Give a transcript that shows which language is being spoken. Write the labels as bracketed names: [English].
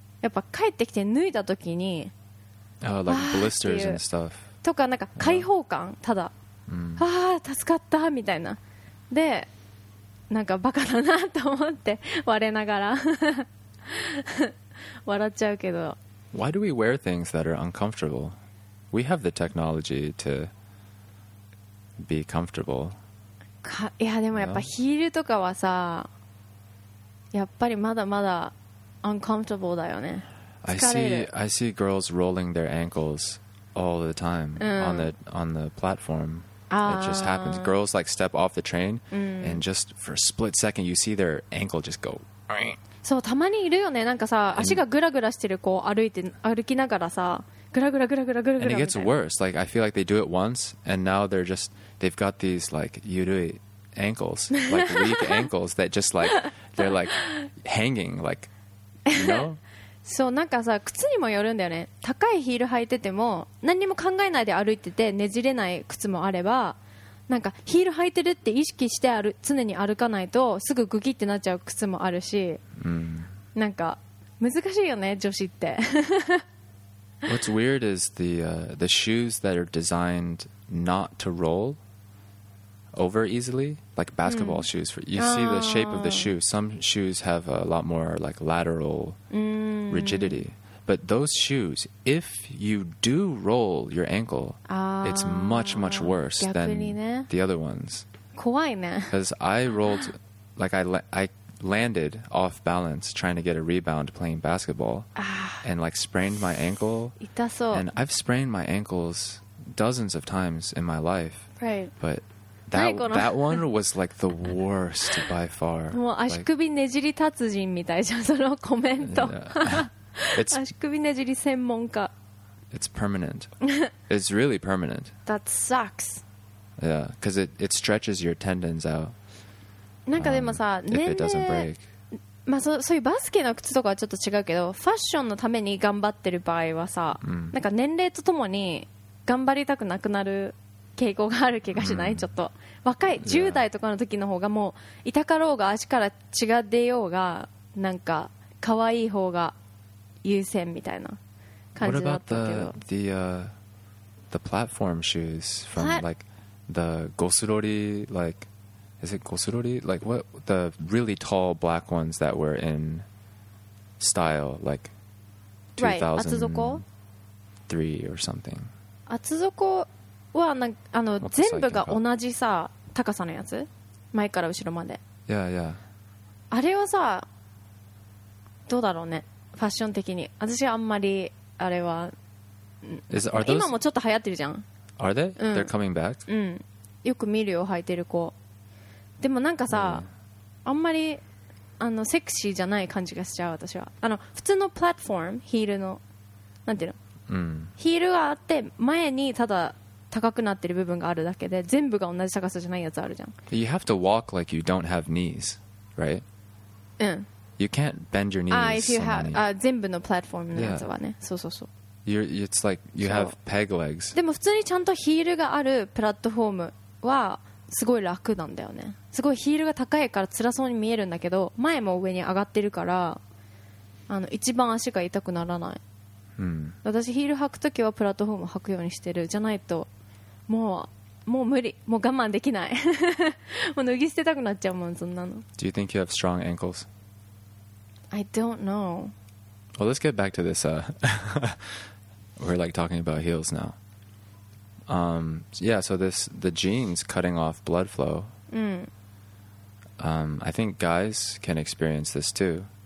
[Japanese] やっぱ帰ってきて脱いだときに、 [English] like blisters and stuff. [Japanese] とかなんか解放感、ただ、ああ、助かったみたいな。で、なんかバカだなと思って、割れながら笑っちゃうけど。 [English] Why do we wear things that are uncomfortable? We have the technology to be comfortable. [Japanese] いやでもやっぱヒールとかはさ、やっぱりまだまだ uncomfortable だよね。 [English] I see girls rolling their ankles all the time on the platform. It just happens. Girls like step off the train and just for a split second you see their ankle just go. [Japanese] そう、たまにいるよね、なんかさ、足がグラグラしてる子を歩きながらさ、グラグラグラグラグラグラ。 [English] And it gets worse. Like, I feel like they do it once, and now they've got these, like,緩い ankles, like, weak ankles that just, like, they're, like, hanging, like, you know? [Japanese] そう、なんかさ、靴にもよるんだよね。高いヒール履いてても、何にも考えないで歩いてて、ねじれない靴もあれば、なんかヒール履いてるって意識して常に歩かないとすぐグキってなっちゃう靴もあるし、なんか難しいよね女子って。 [English] What's weird is the shoes that are designed not to roll over easily, like basketball shoes. You see the shape of the shoe. Some shoes have a lot more like lateral rigidity. But those shoes, if you do roll your ankle, it's much, much worse than the other ones. [Japanese] 怖いね。 [English] Because I rolled, like I landed off balance trying to get a rebound playing basketball and like sprained my ankle. [Japanese] 痛そう。 [English] And I've sprained my ankles dozens of times in my life. Right. But that one was like the worst by far. [Japanese] もう足首ねじり達人みたいじゃん、そのコメント。 [English] It's, [Japanese] 足首ねじり専門家。 [English] It's permanent. It's really permanent. That sucks. Yeah, because it stretches your tendons out. [Japanese] なんかでもさ、年齢、まあそういうバスケの靴とかはちょっと違うけど、ファッションのために頑張ってる場合はさ、なんか年齢とともに頑張りたくなくなる傾向がある気がしない？ちょっと若い、yeah. 10代とかの時の方がもう痛かろうが足から血が出ようがなんか可愛い方が優先みたいな感じだったけど。 [English] What about the platform shoes from like the Gosurori, like is it Gosurori? Like what the really tall black ones that were in style like 2003 or something. [Japanese] 厚底はなあの全部が同じさ高さのやつ、前から後ろまで。 [English] Yeah, yeah. [Japanese] あれはさどうだろうね、ファッション的に。私はあんまりあれは今もちょっと流行ってるじゃん。 [English] Are they? They're coming back? [Japanese] うん、よく見るよ履いてる子。でもなんかさ、あんまりあのセクシーじゃない感じがしちゃう私は。あの普通のプラットフォーム、ヒールのなんていうの、ヒールがあって前にただ高くなってる部分があるだけで、全部が同じ高さじゃないやつあるじゃん。 [English] You have to walk like you don't have knees, right? [Japanese] うん。 [English] You can't bend your knees. If you have [Japanese] 全部のプラットフォームのやつはね、そうそうそう。 [English] It's like you have peg legs. [Japanese] でも普通にちゃんとヒールがあるプラットフォームはすごい楽なんだよね。すごいヒールが高いから辛そうに見えるんだけど、前も上に上がってるから、あの一番足が痛くならない。私ヒール履くときはプラットフォーム履くようにしてる。じゃないともう無理、もう我慢できないもう脱ぎ捨てたくなっちゃうもん、そんなの。 [English] Do you think you have strong ankles? I don't know. Well, let's get back to this we're like talking about heels now. Yeah, so this the jeans cutting off blood flow. I think guys can experience this too.